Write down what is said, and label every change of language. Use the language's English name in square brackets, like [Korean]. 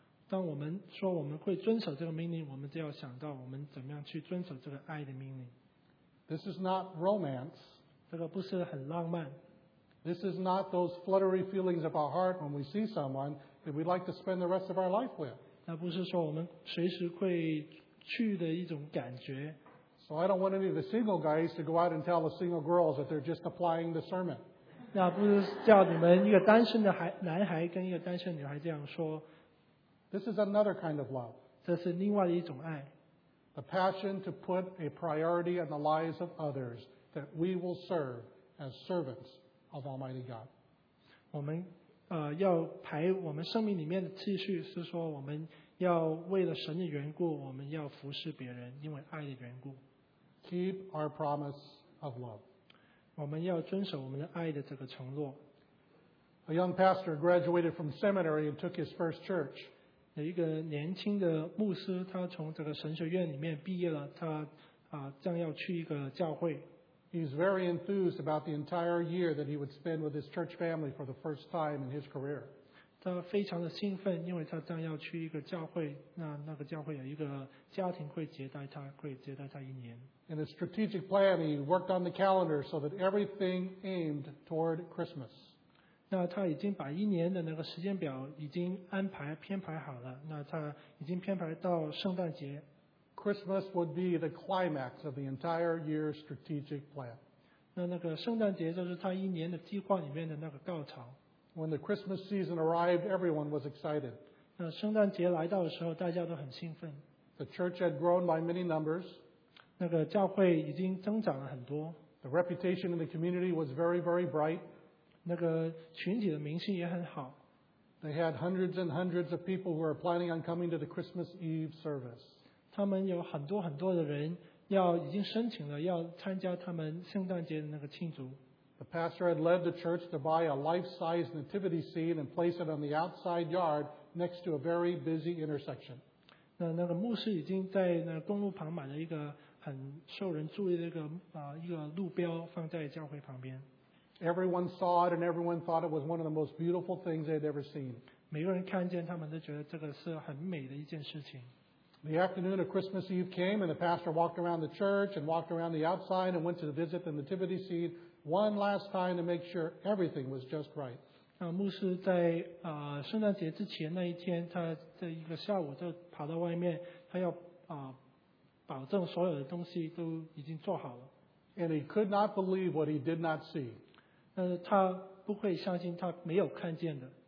[Chinese] 当我们说我们会遵守这个命令，我们就要想到我们怎么样去遵守这个爱的命令。 [English] This is not romance. [Chinese] 这个不是很浪漫。 [English] This is not those fluttery feelings of our heart when we see someone that we'd like to spend the rest of our life with. [Chinese] 那不是说我们随时会去的一种感觉。 [English] So I don't want any of the single guys to go out and tell the single girls that they're just applying the sermon. [Chinese] 那不是叫你们一个单身的男孩跟一个单身女孩这样说。 [English] This is another kind of love. [Chinese] 这是另外的一种爱。 [English] The passion to put a priority on the lives of others that we will serve as servants. Of Almighty God. [Chinese] 我们要排我们生命里面的次序，是说我们要为了神的缘故，我们要服侍别人，因为爱的缘故。 [English] Keep our promise of love. [Chinese] 我们要遵守我们的爱的这个承诺。 [English] A young pastor graduated from seminary and took his first church. [Chinese] 有一个年轻的牧师，他从这个神学院里面毕业了，他将要去一个教会。 [English] He's very enthused about the entire year that he would spend with his church family for the first time in his career. [Chinese] 他非常的兴奋，因为他将要去一个教会，那个教会有一个家庭会接待他，会接待他一年。 [English] In a strategic plan, he worked on the calendar so that everything aimed toward Christmas. [Chinese] 那他已经把一年的那个时间表已经安排编排好了，那他已经编排到圣诞节。 [English] Christmas would be the climax of the entire year's strategic plan. [Chinese] 那个圣诞节就是他一年的计划里面的那个高潮。 [English] When the Christmas season arrived, everyone was excited. [Chinese] 那圣诞节来到的时候，大家都很兴奋。 [English] The church had grown by many numbers. [Chinese] 那个教会已经增长了很多。 [English] The reputation in the community was very, very bright. [Chinese] 那个群体的名声也很好。 [English] They had hundreds and hundreds of people who were planning on coming to the Christmas Eve service. [Chinese] 他们有很多很多的人要已经申请了要参加他们圣诞节的那个庆祝。 [English] The pastor had led the church to buy a life-size nativity scene and place it on the outside yard next to a very busy intersection. [Chinese] 那个牧师已经在那公路旁买了一个很受人注意的一个路标放在教会旁边。 [English] Everyone saw it and everyone thought it was one of the most beautiful things they'd ever seen. [Chinese] 每个人看见他们都觉得这个是很美的一件事情。 [English] The afternoon of Christmas Eve came and the pastor walked around the church and walked around the outside and went to visit the nativity scene one last time to make sure everything was just right. [Chinese] 牧师在圣诞节之前那一天他在一个下午就跑到外面他要保证所有的东西都已经做好了。 [English] And he could not believe what he did not see. [Chinese] 但是他不会相信他没有看见的。